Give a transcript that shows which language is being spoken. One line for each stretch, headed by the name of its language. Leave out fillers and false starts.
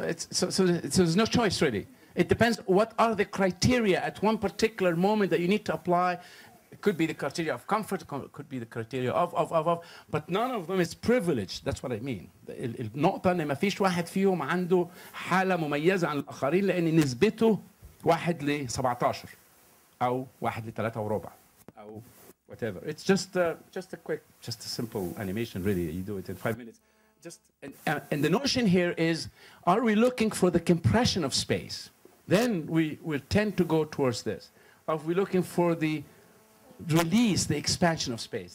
English: So there's no choice, really. It depends what are the criteria at one particular moment that you need to apply. It could be the criteria of comfort, it could be the criteria of, but none of them is privileged. That's what I mean.
Arabic: النقطة إن مفيش واحد فيهم عنده حالة مميزة عن الآخرين لأن نسبته واحد لسبعتاشر أو واحد لثلاثة وربع أو
English: whatever. It's just a simple animation, really. You do it in 5 minutes. And the notion here is, are we looking for the compression of space? Then we tend to go towards this. Are we looking for the release, the expansion of space?